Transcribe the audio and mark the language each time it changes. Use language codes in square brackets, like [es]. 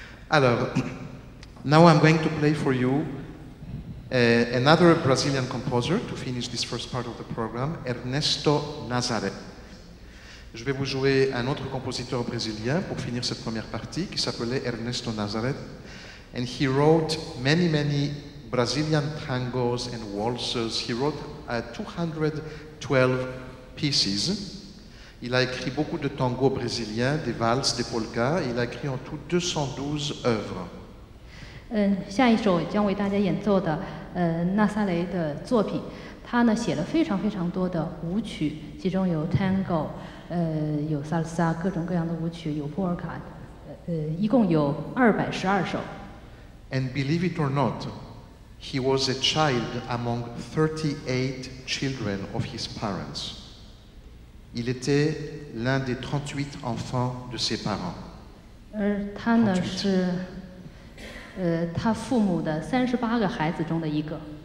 [fr] Alors, [en] now I'm going to play for you another Brazilian composer to finish this first part of the program, Ernesto Nazaré. [fr] Je vais vous jouer un autre compositeur brésilien pour finir cette première partie qui s'appelait Ernesto Nazaré. [en] And he wrote many, many Brazilian tangos and waltzes. He wrote 212 pieces. [fr] Il a écrit beaucoup de tangos brésiliens, des valses, des polkas. Il a écrit en tout 212 œuvres. [zh] 下一首将为大家演奏的纳萨雷的作品，他呢写了非常非常多的舞曲，其中有 tango， 有 salsa， 各种各样的舞曲，有 polka， 一共有212首。 [en] And believe it or not, he was a child among 38 children of his parents. [fr] Il était l'un des 38 enfants de ses parents. [zh] 而他呢是他父母的38个孩子中的一个。